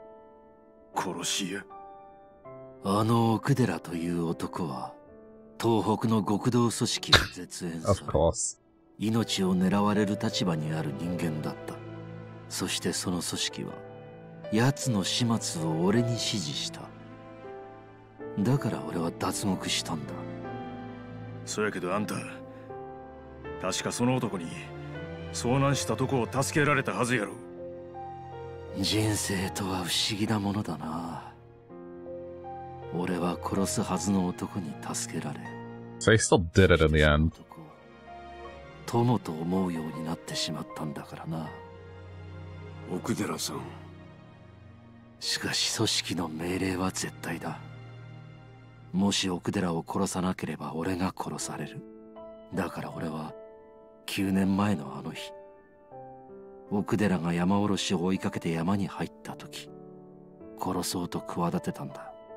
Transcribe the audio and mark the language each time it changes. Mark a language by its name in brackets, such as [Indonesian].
[Japanese] 何やて。冴島。俺は奥寺を殺すために脱獄した元殺し屋なんだ。奥寺犯が殺し屋?あの奥寺という男は東北の極道組織を絶縁する命を狙われる立場にある人間だった。そしてその組織は奴の始末を俺に指示した。だから俺は脱獄したんだ。そやけどあんた、確かその男に遭難したとこを助けられたはずやろ。人生とは不思議なものだな。 [English] So he still did it in the end. [Japanese] とも思うようになってしまったんだからな。奥寺さん。しかし組織の命令は絶対だ。もし奥寺を殺さなければ俺が殺される。だから俺は9年前のあの日、奥寺が山おろしを追いかけて山に入った時、殺そうと企てたんだ。